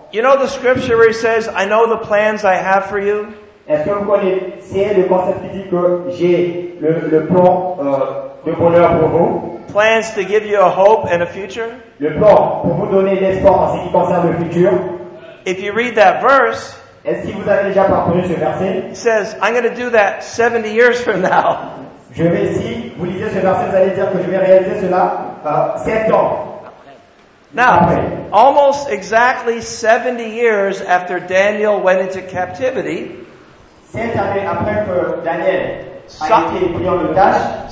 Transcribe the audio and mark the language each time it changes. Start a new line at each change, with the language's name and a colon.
English: You know the scripture where he says, "I know the plans I have for you."
French: Est-ce que vous connaissez le concept qui dit que j'ai le plan de bonheur pour vous?
English: Plans to give you a hope and a future?
French: Le plan pour vous donner l'espoir en ce qui concerne le futur.
English: If you read that verse,
French: est-ce que vous avez déjà parcouru ce verset?
English: Says, I'm going to do that 70 years from now.
French: Je vais, si vous lisez ce verset, vous allez dire que je vais réaliser cela 7 ans.
English: Now, almost exactly 70 years after Daniel went into captivity,
French: 7 années après que Daniel a été pris en otage,